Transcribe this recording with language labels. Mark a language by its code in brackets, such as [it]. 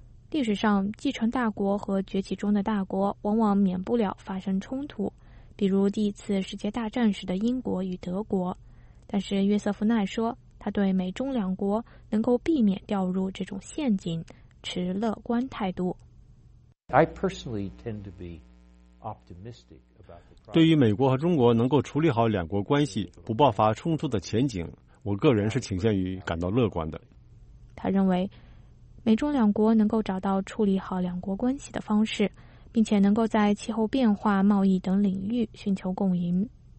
[zh] 历史上，继承大国和崛起中的大国往往免不了发生冲突，比如第一次世界大战时的英国与德国。但是约瑟夫奈说，他对美中两国能够避免掉入这种陷阱持乐观态度。 [en] I personally tend to be optimistic about the. [zh] 对于美国和中国能够处理好两国关系、不爆发冲突的前景，我个人是倾向于感到乐观的。他认为，美中两国能够找到处理好两国关系的方式，并且能够在气候变化、贸易等领域寻求共赢。